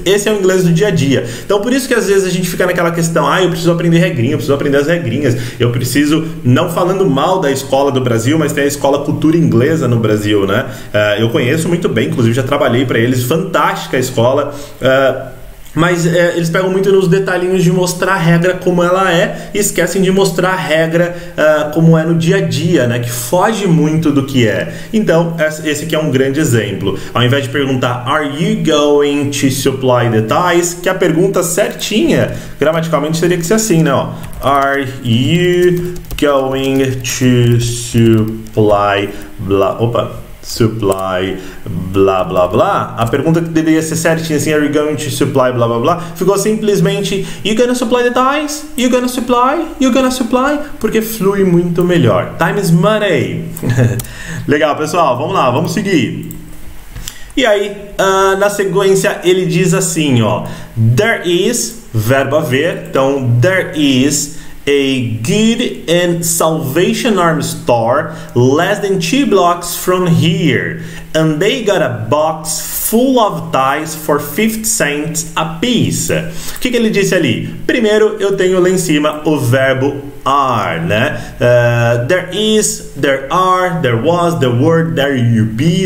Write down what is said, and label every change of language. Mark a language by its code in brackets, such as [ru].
[pt] Esse é o inglês do dia a dia. Então, por isso que às vezes a gente fica naquela questão, ah, eu preciso aprender regrinha, eu preciso aprender as regrinhas, eu preciso, não falando mal da escola do Brasil, mas tem a escola cultura inglesa no Brasil, né? Eu conheço muito bem, inclusive já trabalhei para eles, fantástica a escola. Mas eles pegam muito nos detalhinhos de mostrar a regra como ela é e esquecem de mostrar a regra como é no dia a dia, né? Que foge muito do que é. Então, esse aqui é um grande exemplo. Ao invés de perguntar, [en] are you going to supply the ties? [pt] Que a pergunta certinha, gramaticalmente, teria que ser assim, né? Ó, [en] are you going to supply... supply blá blá blá. [pt] A pergunta que deveria ser certinha assim, [en] are you going to supply blá blá blá, [pt] ficou simplesmente [en] you gonna supply the ties, you gonna supply, you gonna supply, [pt] porque flui muito melhor. [en] Time is money. [pt] Legal, pessoal, vamos lá, vamos seguir. E aí, na sequência, ele diz assim, ó, [en] there is, [pt] verbo haver, [en] então there is a good and Salvation Army store less than 2 blocks from here, and they got a box full of ties for 50 cents a piece. [pt] O que ele disse ali? Primeiro, eu tenho lá em cima o verbo are, né? [en] There is, there are, there was, there were, there you be.